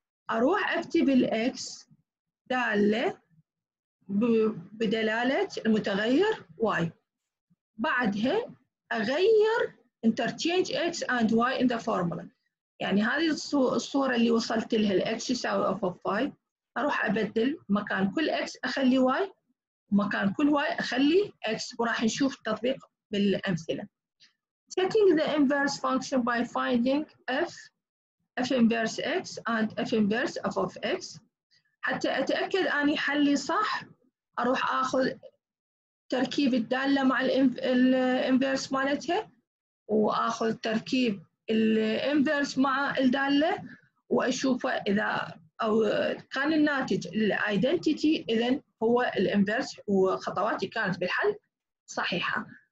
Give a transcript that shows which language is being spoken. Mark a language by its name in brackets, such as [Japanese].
[Arabic] أروح أكتب ال x دالة بدلالة المتغير y، بعدها أغير [English] interchange x and y in the formula. [Arabic] يعني هذه الصورة اللي وصلت لها الـ x يساوي f of y، أروح أبدل مكان كل x أخلي y، مكان كل y أخلي x، وراح نشوف التطبيق بالأمثلة. [English] Setting the inverse function by finding f inverse x and f inverse f of x. [Arabic] حتى أتأكد أني حلي صح أروح أخذ تركيب الدالة مع الـ inverse مالتها، وأخذ تركيب الانفرس مع الدالة وأشوف إذا أو كان الناتج الايدنتيتي، إذا هو الانفرس وخطواتي كانت بالحل صحيحة.